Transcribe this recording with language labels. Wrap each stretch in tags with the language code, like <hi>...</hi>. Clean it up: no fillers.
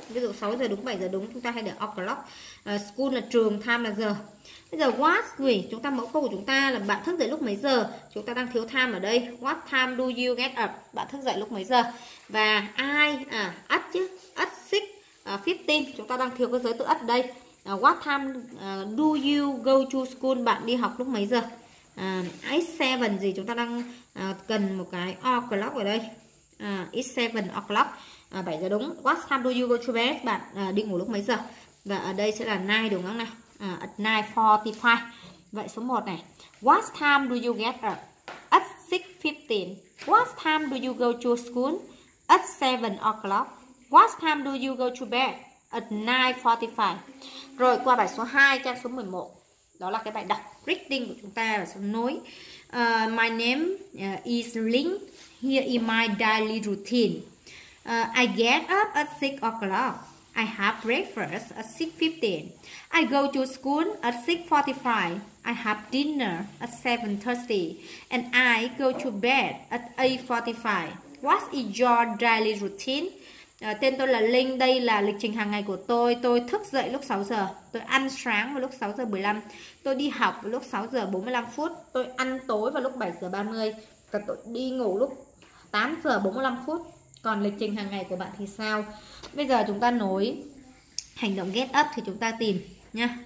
<vi>Ví dụ 6 giờ đúng, 7 giờ đúng, chúng ta hay để o'clock. School là trường, time là giờ. Bây giờ what gì? Chúng ta mẫu câu của chúng ta là bạn thức dậy lúc mấy giờ? Chúng ta đang thiếu time ở đây.</vi> <en>What time do you get up?</en> <vi>Bạn thức dậy lúc mấy giờ? Và ai? At chứ.</vi> <en>At 6:15.</en> <vi>Chúng ta đang thiếu cái giới từ at đây.</vi> <en>What time do you go to school?</en> <vi>Bạn đi học lúc mấy giờ? It's 7 gì, chúng ta đang cần một cái o'clock ở đây.</vi> <en>It's 7 o'clock,</en> <vi>7 giờ đúng.</vi> <en>What time do you go to bed?</en> <vi>Bạn đi ngủ lúc mấy giờ? Và ở đây sẽ là 9 đúng không nào?</vi> <en>At 9:45.</en> <vi>Vậy số 1 này,</vi> <en>what time do you get up? At 6:15. What time do you go to school? At 7 o'clock. What time do you go to bed? At 9:45.</en> <vi>Rồi qua bài số 2, trang số 11. Đó là cái bài đọc reading của chúng ta và số nối.</vi> <en>My name is Linh. Here is my daily routine. I get up at 6 o'clock. I have breakfast at 6:15. I go to school at 6:45. I have dinner at 7:30. And I go to bed at 8:45. What is your daily routine?</en> <vi>Tên tôi là Linh, đây là lịch trình hàng ngày của tôi. Tôi thức dậy lúc 6 giờ. Tôi ăn sáng vào lúc 6:15. Tôi đi học vào lúc 6:45. Tôi ăn tối vào lúc 7:30. Và tôi đi ngủ lúc 8:45. Còn lịch trình hàng ngày của bạn thì sao? Bây giờ chúng ta nối hành động</vi> <en>get up</en> <vi>thì chúng ta tìm nha.</vi>